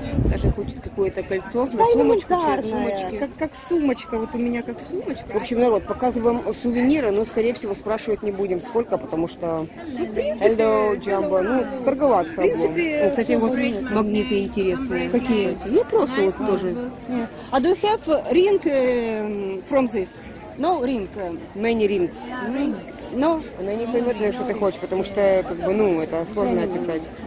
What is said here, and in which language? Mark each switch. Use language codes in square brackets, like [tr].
[ru] Даже хочет какое-то кольцо, да, на сумочку, как сумочка, вот у меня как сумочка. В общем, народ, показываем сувениры, но, скорее всего, спрашивать не будем, сколько, потому что... Ну, в принципе... [en] Hello, [ru] Jumbo. Ну, торговаться. В принципе... Кстати, вот магниты интересные. Какие? Ну, просто вот тоже. [en] А do you have ring from this? No ring. Many rings. No? [ru] Она не поймет, что ты хочешь, потому что, как бы, ну, это сложно описать.